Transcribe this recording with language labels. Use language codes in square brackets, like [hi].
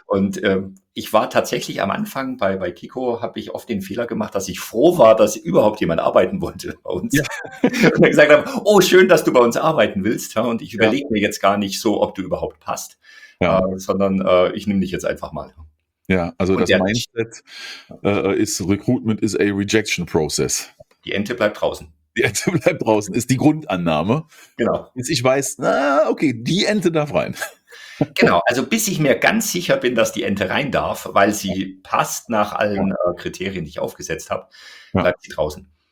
[de] Und ich war tatsächlich am Anfang bei Kiko, habe ich oft den Fehler gemacht, dass ich froh war, dass überhaupt jemand arbeiten wollte bei uns. Ja. Und dann gesagt habe, oh, schön, dass du bei uns arbeiten willst. Ja, und ich überlege mir jetzt gar nicht so, ob du überhaupt passt, sondern ich nehme dich jetzt einfach mal. Ja, also und das Mindset ist, [en] Recruitment is a rejection process. [de] Die Ente bleibt draußen. Die Ente bleibt draußen, ist die Grundannahme. Genau. Bis ich weiß, na, okay, die Ente darf rein. Genau, also bis ich mir ganz sicher bin, dass die Ente rein darf, weil sie passt nach allen Kriterien, die ich aufgesetzt habe, bleibt sie draußen.